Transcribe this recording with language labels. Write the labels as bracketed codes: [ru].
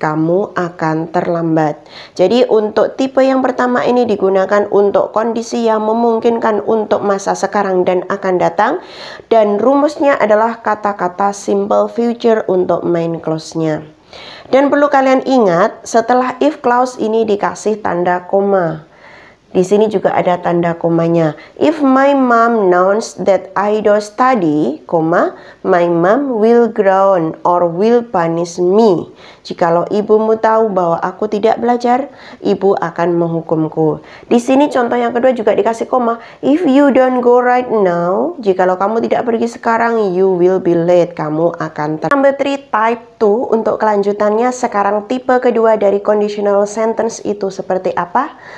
[id] Kamu akan terlambat. Jadi untuk tipe yang pertama ini digunakan untuk kondisi yang memungkinkan untuk masa sekarang dan akan datang, dan rumusnya adalah kata-kata simple future untuk main clause-nya. Dan perlu kalian ingat, setelah if clause ini dikasih tanda koma. Di sini juga ada tanda komanya. [en] If my mom knows that I don't study, koma, my mom will ground or will punish me. [id] Jikalau ibumu tahu bahwa aku tidak belajar, ibu akan menghukumku. Di sini contoh yang kedua juga dikasih koma. [en] If you don't go right now, [id] jikalau kamu tidak pergi sekarang, [en] you will be late. [id] Kamu akan [en] Number 3, type 2. [id] Untuk kelanjutannya, sekarang tipe kedua dari conditional sentence itu seperti apa?